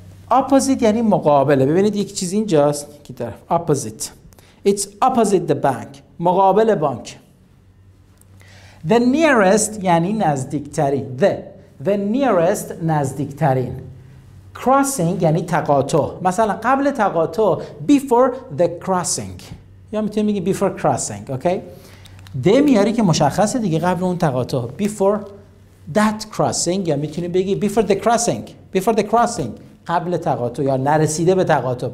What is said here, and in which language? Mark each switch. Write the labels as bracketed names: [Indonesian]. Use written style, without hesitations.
[Persian] Opposite یعنی مقابله. ببینید یک چیز اینجاست. یک طرف. Opposite. [English] It's opposite the bank. [Persian] مقابل بانک. The nearest یعنی نزدیکتری. The nearest, نزدیکترین. Crossing یعنی تقاطع. مثلا قبل تقاطع. [English] Before the crossing. [Persian] یا میتونیم بگیم [English] before crossing, okay? [Persian] ده میاری که مشخصه دیگه, قبل اون تقاطع. [English] Before that crossing, [Persian] یا میتونیم بگی [English] before the crossing, [Persian] قبل تقاطع یا نرسیده به تقاطع.